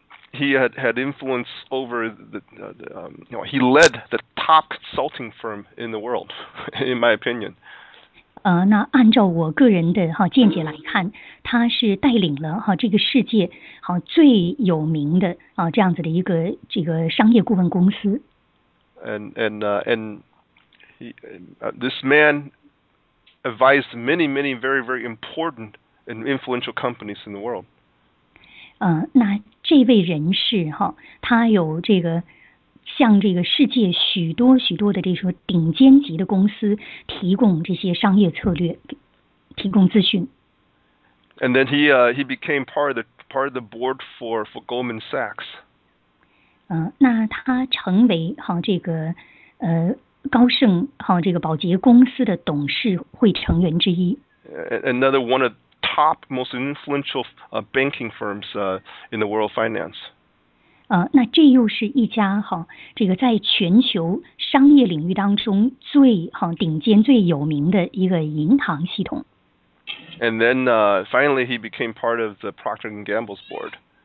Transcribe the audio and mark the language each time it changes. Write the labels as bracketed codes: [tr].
[en] He had influence over he led the top consulting firm in the world, in my opinion. [zh] 那按照我个人的哈见解来看，他是带领了哈这个世界哈最有名的啊这样子的一个这个商业顾问公司。 [en] And this man advised many, many very, very important and influential companies in the world. [zh] 那这位人士哈，他有这个向这个世界许多许多的这些顶尖级的公司提供这些商业策略，提供资讯。 [en] And then he became part of the board for Goldman Sachs. [zh] 那他成为哈这个高盛哈这个宝洁公司的董事会成员之一。 [en] Another one of top most influential banking firms in the world finance. [zh] 那这又是一家哈，这个在全球商业领域当中最哈顶尖、最有名的一个银行系统。 [en] And then finally, he became part of the Procter and Gamble's board.